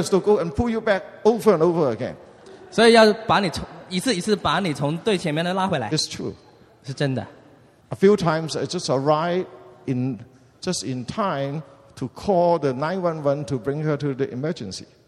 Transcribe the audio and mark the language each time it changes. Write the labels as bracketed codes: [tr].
[en] has to go and pull you back over and over again. [zh] 所以要把你从一次一次把你从队前面的拉回来。 [en] It's true. [zh] 是真的。 [en] A few times I just arrived in just in time to call the 911 to bring her to the emergency.